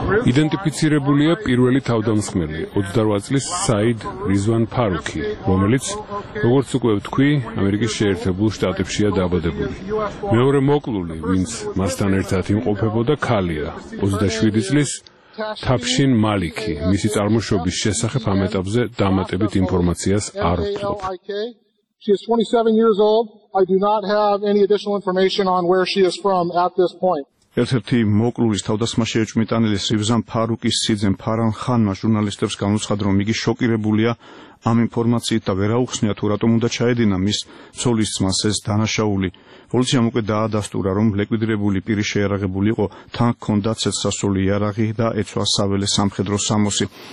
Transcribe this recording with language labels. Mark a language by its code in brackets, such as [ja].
[ka] იდენტიფიცირებულია პირველი თავდამსხმელი, 28 წლის საიდ რიზვან ფარუქი, რომელიც, როგორც უკვე ვთქვი, ამერიკის შეერთებულ შტატებშია დაბადებული. მეორე მოკლული, ვინც მასთან ერთად იმყოფებოდა, ქალია, 27 წლის თაფშინ მალიკი. მისი წარმოშობის შესახებ ამ ეტაპზე დამატებით ინფორმაციას არ ვფლობ. [en] She is 27 years old. I do not have any additional information on where she is from at this point. [ka] ერთ-ერთი მოკლულის თავდასხმა შეეჭმიტანილის რიბზან ფარუკის სიძემ ფარან ხანმა ჟურნალისტებს განუცხადა, რომ იგი შოკირებულია ამ ინფორმაციით და ვერ აუხსნია თუ რატომ უნდა ჩაედინა მის ცოლის ძმას ეს დანაშაული. პოლიციამ უკვე დაადასტურა, რომ ლეკვიდირებული პირი შეარაღებული იყო, თან ჰქონდა ცეცხლსასროლი იარაღი და ეცვა საველე სამხედრო სამოსი.